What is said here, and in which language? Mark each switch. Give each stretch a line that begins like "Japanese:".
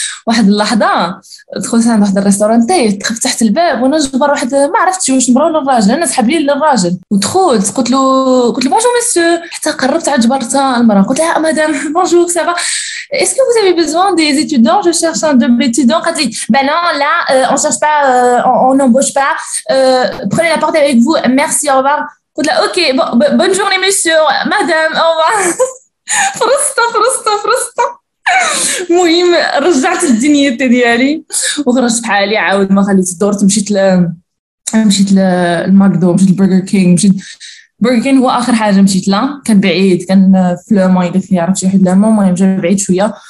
Arabic: واحد اللحظه دخلت عند واحد الريستورون تاعي، دخلت تحت الباب وانا جبر واحد ما عرفتش واش مرا ولا الراجل، انا سحب لي للراجل ودخلت قلت له بونجور مسيو، حتى قربت عاد جبرت المراه قلت لها مدام بونجور سافا
French: est-ce que vous avez besoin des étudiants, je cherche un double étudiant. Quand dit ben non là on cherche pas on n'embauche pas prenez la porte avec vous merci au revoir. Quand là OK bonne journée monsieur madame au revoir. Frusta.
Arabic: المهم رجعت الدنيا ديالي وخرجت بحالي، عاود ما خليت الدور، مشيت للماكدو، مشيت للبرجر كينغ، مشيت برجر كينغ هو اخر حاجه مشيت لها، كان بعيد، كان في لوماي داك الشيء، عرفت شي واحد لاما، المهم جا بعيد شويه.